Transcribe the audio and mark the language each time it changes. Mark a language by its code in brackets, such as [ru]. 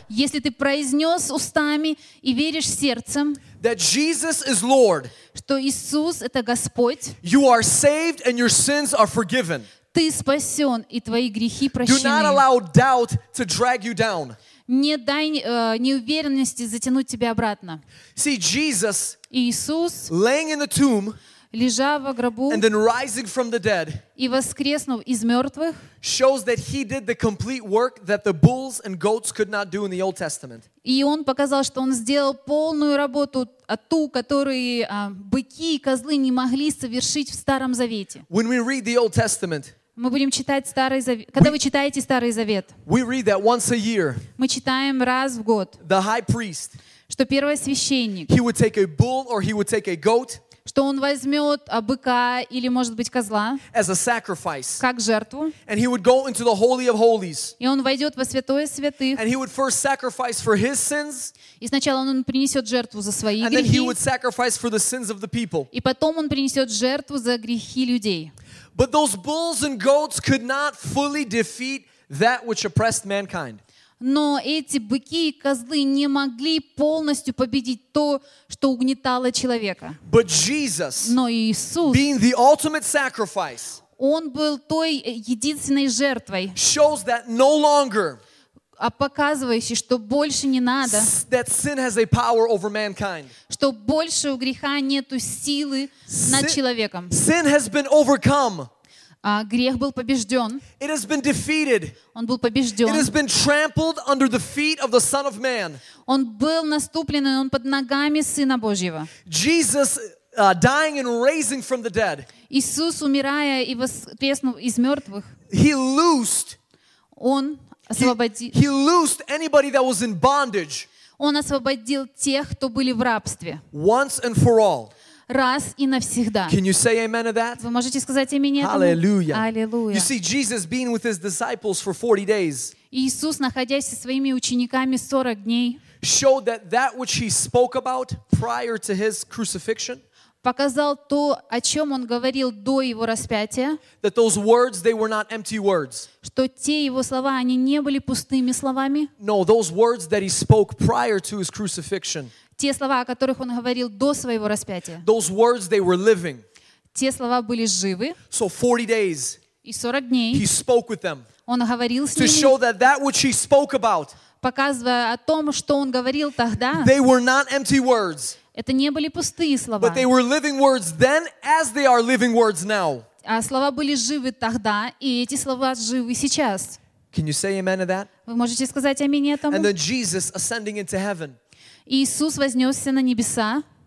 [ru] если ты произнес устами и веришь сердцем, [en] that Jesus is Lord, [ru] что Иисус — это Господь, [en] you are saved and your sins are forgiven. [ru] Ты спасен, и твои грехи прощены. [en] Do not allow doubt to drag you down. [ru] Не дай неуверенности затянуть тебя обратно. [en] See, Jesus, [ru] Иисус, [en] laying in the tomb, [ru] лежа во гробу, [en] and then rising from the dead, [ru] и воскреснув из мертвых, [en] shows that He did the complete work that the bulls and goats could not do in the Old Testament. [ru] И Он показал, что Он сделал полную работу, ту, которую быки и козлы не могли совершить в Старом Завете. [en] When we read the Old Testament, [ru] мы будем читать Старый Завет. Когда вы читаете Старый Завет, [en] we read that once a year, [ru] мы читаем раз в год, [en] the high priest, [ru] что первосвященник, [en] he would take a bull or he would take a goat, [ru] что он возьмет быка или, может быть, козла [en] as a sacrifice, [ru] как жертву. [en] And he would go into the Holy of Holies, [ru] и он войдет во святое святых. [en] And he would first sacrifice for his sins, [ru] и сначала он принесет жертву за свои [en] and [ru] грехи. [en] Then he would sacrifice for the sins of the people. [ru] И потом он принесет жертву за грехи людей. [en] But those bulls and goats could not fully defeat that which oppressed mankind. [ru] Но эти быки и козлы не могли полностью победить то, что угнетало человека. [en] But Jesus, [ru] но Иисус, [en] being the ultimate sacrifice, [ru] Он был той единственной жертвой, [en] shows that no longer, [ru] а показывающий, что больше не надо, [en] that sin has a power over mankind, [ru] что больше у греха нету силы над человеком. [en] Sin has been overcome. [ru] Грех был побежден. [en] It has been defeated. [ru] Он был побежден. [en] It has been trampled under the feet of the Son of Man. [ru] Он был наступлен, он под ногами Сына Божьего. [en] Jesus dying and raising from the dead. [ru] Иисус умирая и воскреснув из мертвых. [en] He loosed. [ru] Он освободил. [en] He loosed anybody that was in bondage. [ru] Он освободил тех, кто были в рабстве. [en] Once and for all. [ru] Раз и навсегда. [en] Can you say amen to that? [ru] Вы можете сказать аминь этому? [en] Hallelujah. [ru] Hallelujah. [en] You see, Jesus being with his disciples for 40 days, [ru] Иисус, находясь со своими учениками 40 дней, [en] showed that that which he spoke about prior to his crucifixion, [ru] показал то, о чем он говорил до его распятия, [en] that those words, they were not empty words, [ru] что те его слова, они не были пустыми словами. [en] No, those words that he spoke prior to his crucifixion, [ru] те слова, о которых он говорил до своего распятия, [en] those words, they were living, [ru] те слова были живы. [en] So 40 days, [ru] и 40 дней [en] he spoke with them, [ru] он говорил с [en] to [ru] ними, [en] show that that which he spoke about, [ru] показывая о том, что он говорил тогда, [en] they were not empty words, [ru] это не были пустые слова, [en] but they were living words then as they are living words now. [ru] слова были живы тогда, и эти слова живы сейчас. [en] Can you say amen to that? [ru] Вы можете сказать аминь этому? [en] And then Jesus ascending into heaven. [ru] Иисус вознесся на небеса.